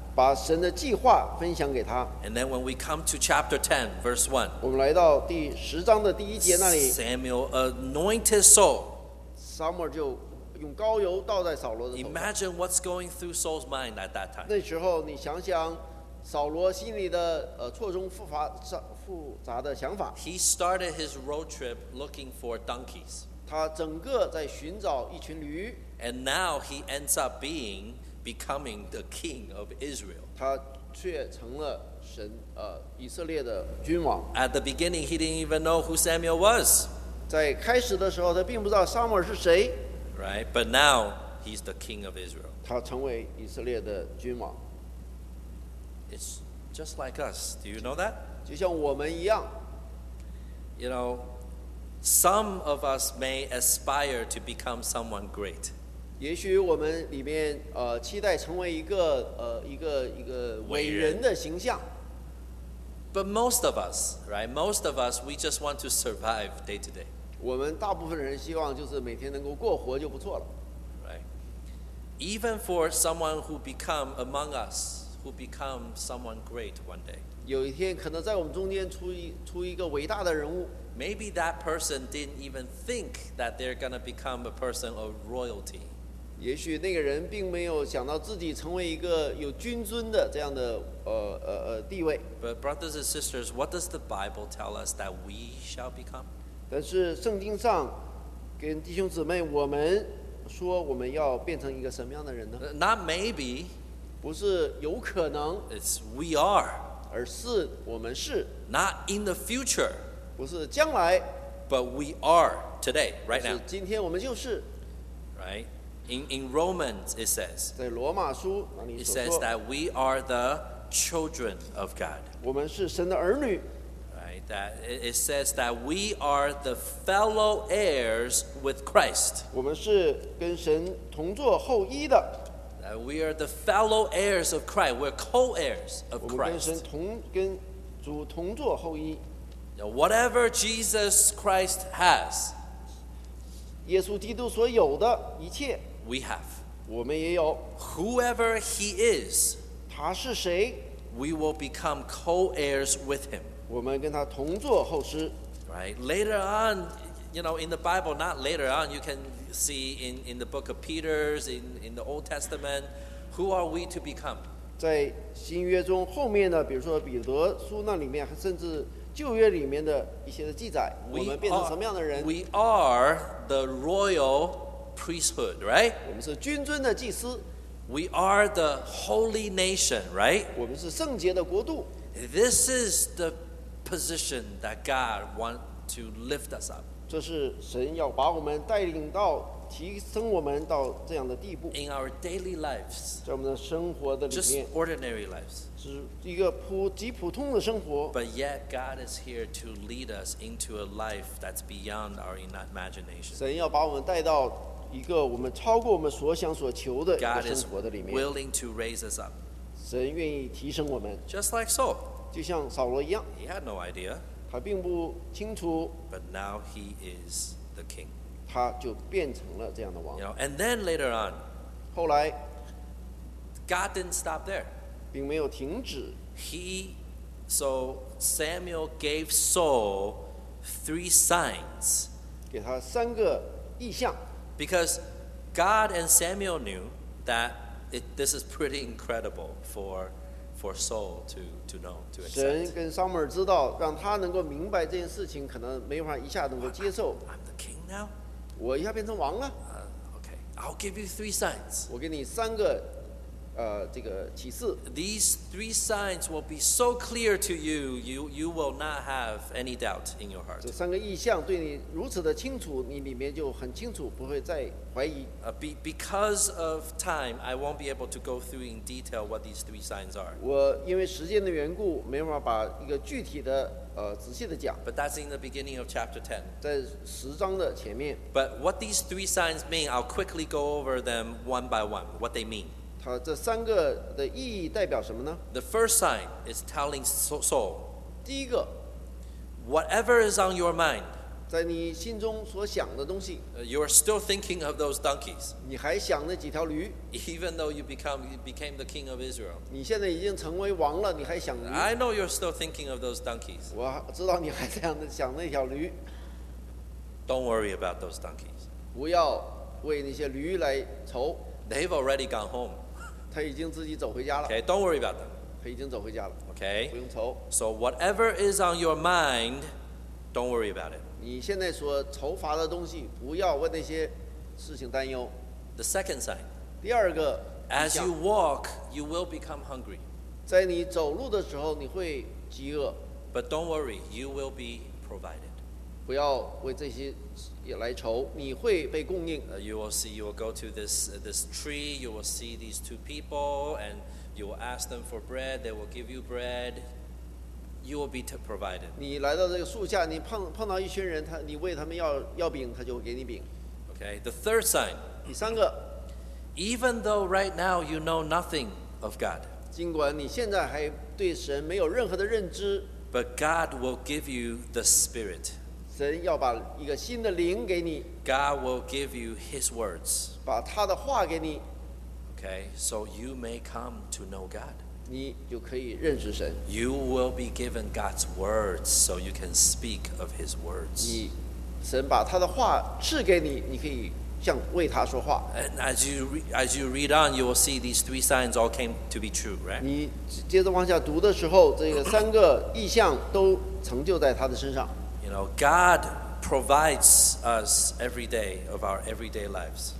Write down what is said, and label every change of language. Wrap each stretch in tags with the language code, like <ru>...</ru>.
<zh>把神的计划分享给他。</zh> <en>And then when we come to chapter 10, verse 1,</en> <zh>我们来到第十章的第一节那里。</zh> <en>Samuel anointed Saul.</en> <zh>撒母耳就用膏油倒在扫罗的头上。</zh> <en>Imagine what's going through Saul's mind at that time.</en> <zh>那时候你想想扫罗心里的错综复杂的想法。</zh> <en>He started his road trip looking for donkeys.</en> <zh>他整个在寻找一群驴。</zh> <en>And now he ends up becoming the king of Israel.</en> <zh>他却成了神以色列的君王。</zh> <en>At the beginning, he didn't even know who Samuel was.</en> <zh>在开始的时候，他并不知道撒母耳是谁。</zh> <en>Right, but now he's the king of Israel.</en> <zh>他成为以色列的君王。</zh> <en>It's just like us. Do you know that?</en> <zh>就像我们一样。</zh> <en>You know. Some of us may aspire to become someone great.</en> <zh>也许我们里面期待成为一个伟人的形象。</zh> <en>But most of us, right? Most of us, we just want to survive day to day.</en> <zh>我们大部分人希望就是每天能够过活就不错了。</zh> <en>Right? Even for someone who become among us, who become someone great one day.</en> <zh>有一天可能在我们中间出一个伟大的人物。</zh> <en>Maybe that person didn't even think that they're going to become a person of royalty.</en> <zh>也许那个人并没有想到自己成为一个有君尊的这样的地位。</zh> <en>But brothers and sisters, what does the Bible tell us that we shall become?</en> <zh>但是圣经上跟弟兄姊妹我们说我们要变成一个什么样的人呢？</zh> <en>Not maybe.</en> <zh>不是有可能。</zh> <en>It's we are.</en> <zh>而是我们是。</zh> <en>Not in the future.</en> <zh>不是将来</zh> <en>but we are today, right now.</en> <zh>今天我们就是</zh> <en>right? In Romans, it says,</en> <zh>在罗马书那里所说</zh> <en>it says that we are the children of God.</en> <zh>我们是神的儿女</zh> <en>right? That it says that we are the fellow heirs with Christ.</en> <zh>我们是跟神同坐后裔的</zh> <en>that we are the fellow heirs of Christ. We're co-heirs of Christ.</en> <zh>我们跟神同跟主同坐后裔</zh> <en>Whatever Jesus Christ has,</en> <zh>耶稣基督所有的一切</zh> <en>we have.</en> <zh>我们也有。</zh> <en>Whoever he is,</en> <zh>他是谁？</zh> <en>We will become co-heirs with him.</en> <zh>我们跟他同作后师。</zh> <en>Right? Later on, you know, in the Bible, not later on, you can see in the book of Peter, in the Old Testament, who are we to become?</en> <zh>在新约中后面的，比如说彼得书那里面，甚至旧约里面的一些的记载，我们变成什么样的人？</zh> <en>We are the royal priesthood, right?</en> <zh>我们是君尊的祭司。</zh> <en>We are the holy nation, right?</en> <zh>我们是圣洁的国度。</zh> <en>This is the position that God wants to lift us up.</en> <zh>这是神要把我们带领到提升我们到这样的地步。</zh> <en>In our daily lives,</en> <zh>在我们的生活的里面</zh> <en>just ordinary lives.</en> <zh>是一个极普通的生活。</zh> <en>But yet God is here to lead us into a life that's beyond our imagination.</en> <zh>神要把我们带到一个我们超过我们所想所求的一个生活的里面。</zh> <en>God is willing to raise us up.</en> <zh>神愿意提升我们。</zh> <en>Just like Saul.</en> <zh>就像扫罗一样。</zh> <en>He had no idea.</en> <zh>他并不清楚。</zh> <en>But now he is the king.</en> <zh>他就变成了这样的王。</zh> <en>You know, and then later on.</en> <zh>后来。</zh> <en>God didn't stop there.</en> <zh>并没有停止。</zh> <en>So Samuel gave Saul three signs.</en> <zh>给他三个异象。</zh> <en>Because God and Samuel knew that this is pretty incredible for Saul to know, to accept.</en> <zh>神跟撒母耳知道，让他能够明白这件事情，可能没法一下能够接受。</zh> <en>I'm the king now.</en> <zh>我一下变成王了。</zh> <en>Okay, I'll give you three signs.</en> <zh>我给你三个，这个启示。</zh> <en>These three signs will be so clear to you, you will not have any doubt in your heart.</en> <zh>这三个意象对你如此的清楚，你里面就很清楚，不会再怀疑。</zh> <en>Because of time, I won't be able to go through in detail what these three signs are.</en> <zh>我因为时间的缘故，没法把一个具体的仔细的讲。</zh> <en>But that's in the beginning of chapter 10.</en> <zh>在十章的前面。</zh> <en>But what these three signs mean, I'll quickly go over them one by one. What they mean.</en> <zh>这三个的意义代表什么呢？</zh> <en>The first sign is telling Saul.</en> <zh>第一个，</zh> <en>whatever is on your mind,</en> <zh>在你心中所想的东西，</zh> <en>you are still thinking of those donkeys.</en> <zh>你还想那几条驴，</zh> <en>even though you became the king of Israel.</en> <zh>你现在已经成为王了，你还想驴。</zh> <en>I know you're still thinking of those donkeys.</en> <zh>我知道你还想那条驴。</zh> <en>Don't worry about those donkeys.</en> <zh>不要为那些驴来愁。</zh> <en>They've already gone home.</en> <zh>他已经自己走回家了。</zh> <en>Okay, don't worry about them.</en> <zh>他已经走回家了。</zh> <en>Okay.</en> <zh>不用愁。</zh> <en>So whatever is on your mind, don't worry about it.</en> <zh>你现在所愁乏的东西，不要为那些事情担忧。</zh> <en>The second sign.</en> <zh>第二个。</zh> <en>As you walk, you will become hungry.</en> <zh>在你走路的时候，你会饥饿。</zh> <en>But don't worry, you will be provided.</en> <zh>不要为这些。也来愁，你会被供应。</zh> <en>You will see, you will go to this tree. You will see these two people, and you will ask them for bread. They will give you bread. You will be provided.</en> <zh>你来到这个树下，你碰到一群人，你为他们要饼，他就给你饼。</zh> <en>Okay, the third sign.</en> <zh>第三个。</zh> <en>Even though right now you know nothing of God.</en> <zh>尽管你现在还对神没有任何的认知。</zh> <en>But God will give you the Spirit.</en> <zh>神要把一个新的灵给你。</zh> <en>God will give you His words.</en> <zh>把他的话给你。</zh> <en>Okay, so you may come to know God.</en> <zh>你就可以认识神。</zh> <en>You will be given God's words, so you can speak of His words.</en> <zh>你，神把他的话赐给你，你可以向为他说话。</zh> <en>And as you read on, you will see these three signs all came to be true, right?</en> <zh>你接着往下读的时候，这个三个意象都成就在他的身上。</zh> <en>You know, God provides us every day of our everyday lives.</en>